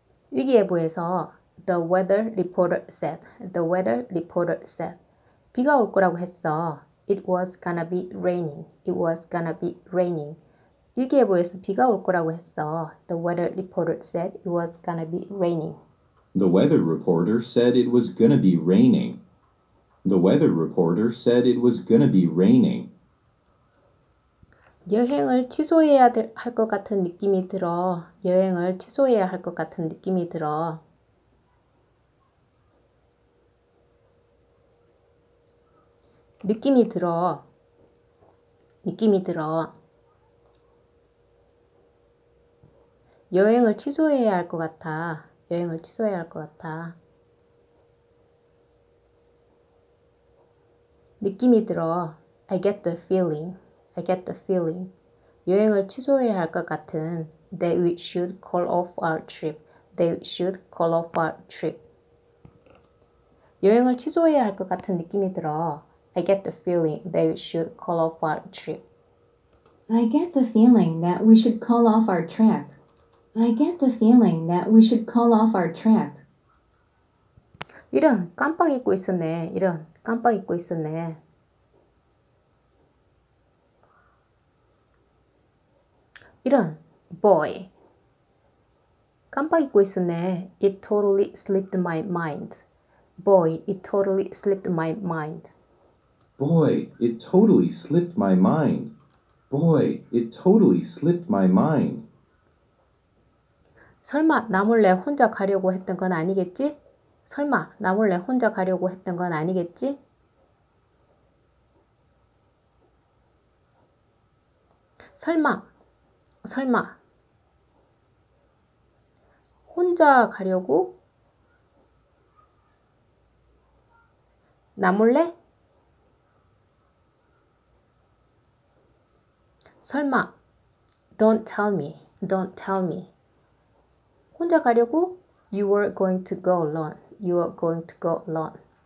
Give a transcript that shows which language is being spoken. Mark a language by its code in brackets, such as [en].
[ko] 일기예보에서 [en] the weather reporter said, the weather reporter said, [ko] 비가 올 거라고 했어. [en] It was gonna be raining. It was gonna be raining. [ko] 일기예보에서 비가 올 거라고 했어. [en] The weather reporter said it was gonna be raining. The weather reporter said it was gonna be raining. The weather reporter said it was gonna be raining. [ko] 여행을 취소해야 할것 같은 느낌이 들어. 여행을 취소해야 할것 같은 느낌이 들어. 느낌이 들어. 느낌이 들어. 여행을 취소해야 할것 같아. 여행을 취소해야 할것 같아. 느낌이 들어. [en] I get the feeling. [ko] 여행을 취소해야 할것 같은. [en] That we should call off our trip. They should call off our trip. [ko] 여행을 취소해야 할것 같은 느낌이 들어. [en] I get the feeling they should call off our trip. I get the feeling that we should call off our trip. I get the feeling that we should call off our trip. [ko] 이런 깜빡 잊고 있었네. 이런 깜빡 잊고 있었네. 이런 boy. 깜빡 잊고 있었네. [en] It totally slipped my mind. Boy, it totally slipped my mind. Boy, it totally slipped my mind. Boy, it totally slipped my mind. [ko] 설마 나 몰래 혼자 가려고 했던 건 아니겠지? 설마 나 몰래 혼자 가려고 했던 건 아니겠지? 설마 혼자 가려고 나 몰래? 설마 [en] Don't tell me. [ko] 혼자 가려고? [en] You are going to go alone. You are going to go alone.